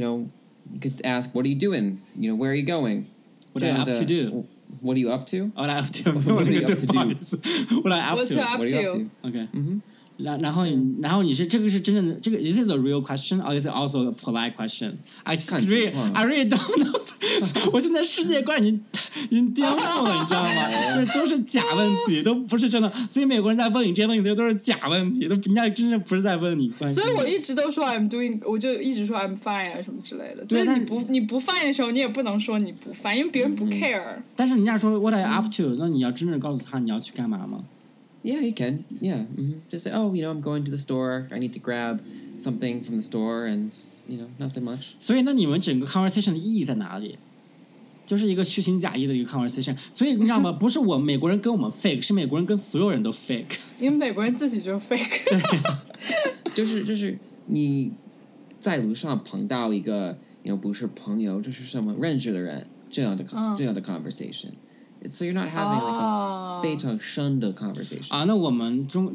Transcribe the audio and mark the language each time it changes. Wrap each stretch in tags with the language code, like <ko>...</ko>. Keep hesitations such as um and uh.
<en>know, you could ask what are you doing? You know, where are you going? What you are you up to do? What are you up to? What are you up to? what are you up to? What are you up to? you up to? Okay. Mm -hmm.</en> <zh>然然后你、嗯、然后你是这个是真正的这个？</zh> <en>Is this a real question, or is it also a polite question? I really, I really don't know 。</en> <zh>我现在世界观已经已经颠覆了，你知道吗？ 就是都是假问题， 都不是真的。所以美国人在问你这些问题，都是假问题，都人家真正不是在问你关系。所以我一直都说</zh> <en>I'm doing，</en> <zh>我就一直说</zh> <en>I'm fine</en> <zh>啊什么之类的。所以你不你不 fine 的时候，你也不能说你不 fine，因为别人不 care。嗯嗯、但是人家说</zh> <en>What are you up to？</en> <zh>那你要真正告诉他你要去干嘛吗？</zh> <en>Yeah, you can. Yeah, mm-hmm. just say, oh, you know, I'm going to the store. I need to grab something from the store, and you know, nothing much.</en> <zh>So, conversation 就是一个虚情假意的一个 conversation，所以你知道吗？不是我美国人跟我们 fake，是美国人跟所有人都 fake。因为美国人自己就 fake。对，就是就是你在路上碰到一个，又不是朋友，就是什么认识的人，这样的、uh, 这样的 uh. conversation。 嗯。</zh> <en>so</en> <zh>所以你</zh> <en>not having like a beta s h u n d conversation</en> <zh>啊，那我们中</zh>